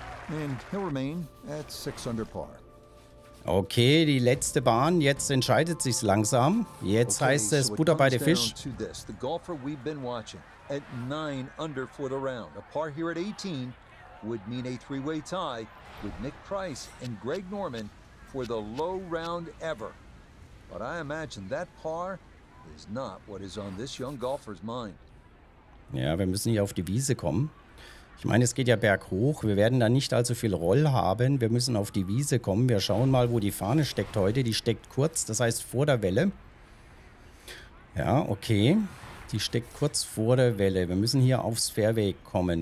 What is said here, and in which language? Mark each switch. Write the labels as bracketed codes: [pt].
[en] And he'll remain at 6 under par. [de] Okay, die letzte Bahn. Jetzt entscheidet sich's langsam. Jetzt okay, heißt es so Butter bei der Fisch. [en] The golfer we've been watching at 9 under for the round. A par here at 18 would mean a three-way tie with Nick Price and Greg Norman for the low round ever. But I imagine that par is not what is on this young golfer's mind. [de] Ja, wir müssen hier auf die Wiese kommen. Ich meine, es geht ja berghoch. Wir werden da nicht allzu viel Roll haben. Wir müssen auf die Wiese kommen. Wir schauen mal, wo die Fahne steckt heute. Die steckt kurz, das heißt vor der Welle. Ja, okay. Die steckt kurz vor der Welle. Wir müssen hier aufs Fairway kommen.